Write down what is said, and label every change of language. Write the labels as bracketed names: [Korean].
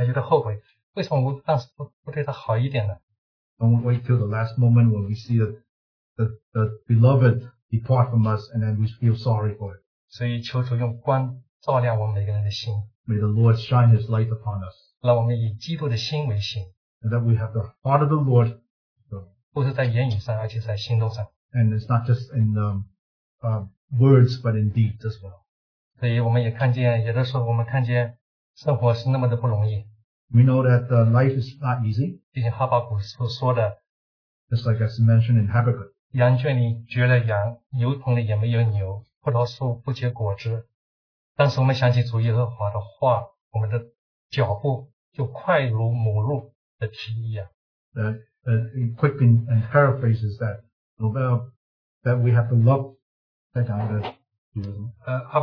[Chinese] 千万不要在一个肢体真的生病了或者离开我们之后，我们才觉得后悔，为什么我当时不对他好一点呢？ [English] Don't wait till the last moment when we see the beloved depart from us and then we feel sorry for it. [Chinese] 所以求主用光照亮我们每个人的心。 [English] May the Lord shine his light upon us. [Chinese] 让我们以基督的心为心。 [English] And that we have the heart of the Lord. [Chinese] 不是在言语上，而且在行动上。 [English] And it's not just in words, but in deeds as well. [Chinese] 所以我们也看见，有的时候我们看见生活是那么的不容易。 [English] We know that life is not easy. [Chinese] 毕竟哈巴谷所说的， [English] just like as mentioned in Habakkuk. [Chinese] 羊圈里绝了羊，牛棚里也没有牛，葡萄树不结果子。但是我们想起主耶和华的话，我们的脚步就快如母鹿的蹄一样。 [English] Quickened and paraphrases that Nobel. That we have to love that kind of